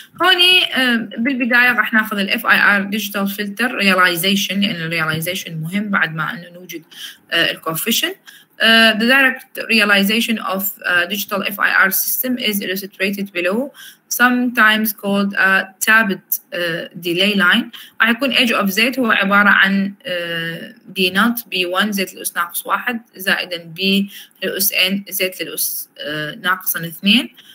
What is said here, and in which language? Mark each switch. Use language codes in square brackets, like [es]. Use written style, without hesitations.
[ar] هوني بالبدايه راح ناخذ الـ FIR ديجيتال فلتر رياليزيشن، لان الرياليزيشن مهم بعد ما انه نوجد الكوفيشن. [en] The direct realization of digital FIR system is illustrated below, sometimes called a tabbed delay line. [ar] راح يكون edge of Z هو عبارة عن B not B1 Z للأس ناقص واحد زائدا B للأس N Z للأس ناقص اثنين.